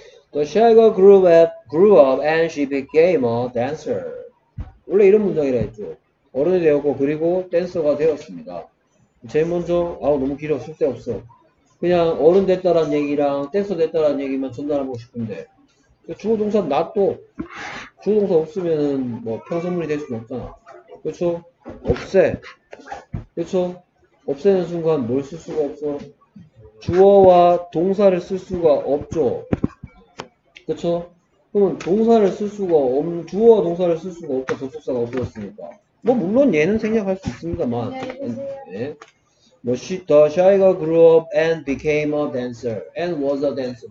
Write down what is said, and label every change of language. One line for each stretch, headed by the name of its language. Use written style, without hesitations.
English: 더 샤이거 grew up and she became a dancer.
Korean: 원래 이런 문장이라 했죠. 어른이 되었고 그리고 댄서가 되었습니다. 제일 먼저 아우 너무 길어 쓸데없어. 그냥 어른 됐다라는 얘기랑 댄서 됐다라는 얘기만 전달하고 싶은데 주어동사 나도 주어동사 없으면은 뭐 편선물이 될 수는 없잖아. 그렇죠? 없애. 그렇죠? 없애는 순간 뭘 쓸 수가 없어. 주어와 동사를 쓸 수가 없죠. 그쵸? 그러면 동사를 쓸 수가 없는, 주어와 동사를 쓸 수가 없다. 접속사가 없어졌으니까. 뭐, 물론 얘는 생략할 수 있습니다만. 네.
English: 뭐, she, the shy가 grew up and became a dancer and was a dancer.